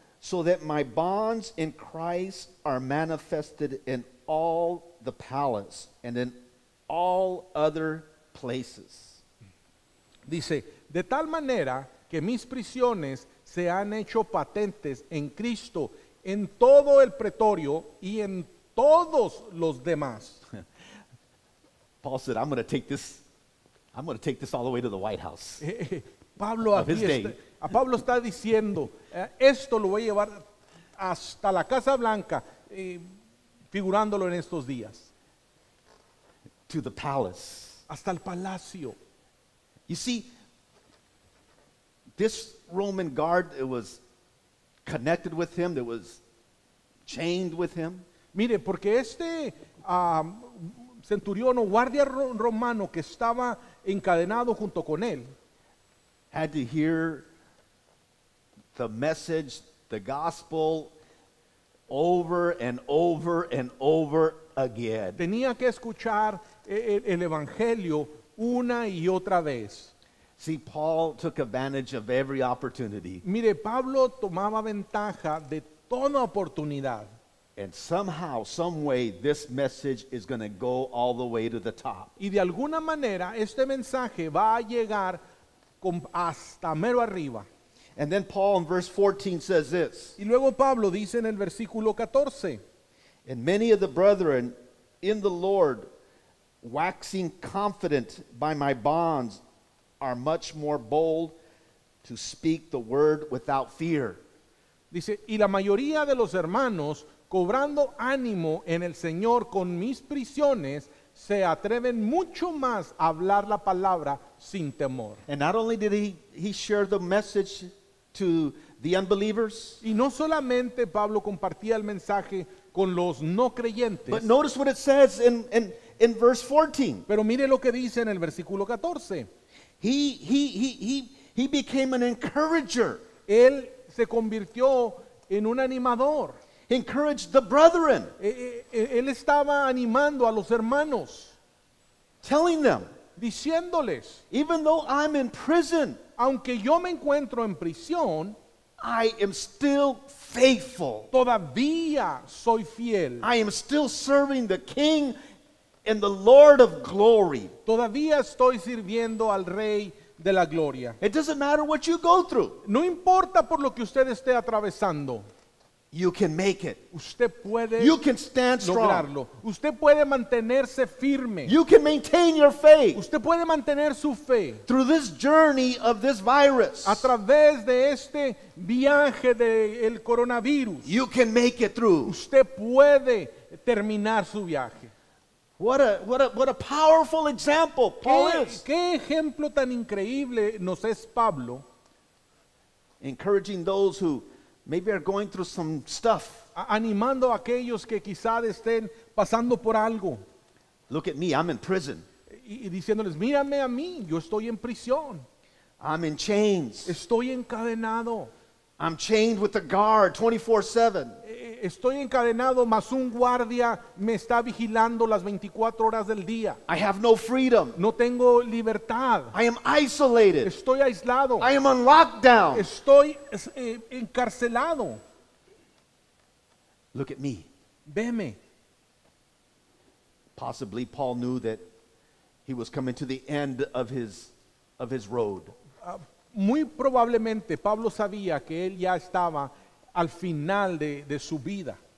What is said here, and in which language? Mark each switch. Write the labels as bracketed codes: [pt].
[en] So that my bonds in Christ are manifested in all the palace and in all other places. [es] Dice, de tal manera que mis prisiones se han hecho patentes en Cristo en todo el pretorio y en todos los demás. [en] Paul said, I'm going to take this all the way to the White House. Pablo of his day. [es] A Pablo está diciendo, esto lo voy a llevar hasta la Casa Blanca, figurándolo en estos días. [en] To the palace. [es] Hasta el palacio. [en] You see, this Roman guard, it was connected with him, that was chained with him. [es] Mire, porque este centurión o guardia romano que estaba encadenado junto con él, [en] had to hear the message, the gospel, over and over and over again. [es] Tenía que escuchar el evangelio una y otra vez. [en] See, Paul took advantage of every opportunity. [es] Mire, Pablo tomaba ventaja de toda oportunidad. [en] And somehow, some way, this message is going to go all the way to the top. [es] Y de alguna manera, este mensaje va a llegar hasta mero arriba. [en] And then Paul in verse 14 says this. [es] Y luego Pablo dice en el versículo 14. [en] And many of the brethren in the Lord, waxing confident by my bonds, are much more bold to speak the word without fear. [es] Dice, y la mayoría de los hermanos, cobrando ánimo en el Señor con mis prisiones, se atreven mucho más a hablar la palabra sin temor. [en] And not only did he share the message to the unbelievers. [es] Y no solamente Pablo compartía el mensaje con los no creyentes. [en] But notice what it says in verse 14. [es] Pero mire lo que dice en el versículo 14. [en] He became an encourager. [es] Él se convirtió en un animador. [en] Encouraged the brethren. [es] Él estaba animando a los hermanos. [en] Telling them. [es] Diciéndoles. [en] Even though I'm in prison. [es] Aunque yo me encuentro en prisión. [en] I am still faithful. [es] Todavía soy fiel. [en] I am still serving the King and the Lord of glory. [es] Todavía estoy sirviendo al Rey de la Gloria. [en] It doesn't matter what you go through. [es] No importa por lo que usted esté atravesando. [en] You can make it. [es] Usted puede. [en] You can stand strong. [es] Lograrlo. Usted puede mantenerse firme. [en] You can maintain your faith. [es] Usted puede mantener su fe. [en] Through this journey of this virus. [es] A través de este viaje del coronavirus. [en] You can make it through. [es] Usted puede terminar su viaje. [en] What a powerful example Paul is. [es] ¿Qué ejemplo tan increíble nos es Pablo? [en] Encouraging those who maybe are going through some stuff. [es] Animando a aquellos que quizá estén pasando por algo. [en] Look at me, I'm in prison. [es] Y diciéndoles, mírame a mí, yo estoy en prisión. [en] I'm in chains. [es] Estoy encadenado. [en] I'm chained with a guard 24/7. [es] Estoy encadenado, mas un guardia me está vigilando las 24 horas del día. [en] I have no freedom. [es] No tengo libertad. [en] I am isolated. [es] Estoy aislado. [en] I am on lockdown. [es] Estoy encarcelado. [en] Look at me. [es] Veme. [en] Possibly Paul knew that he was coming to the end of his road. [es] Muy probablemente Pablo sabía que él ya estaba al final de su vida.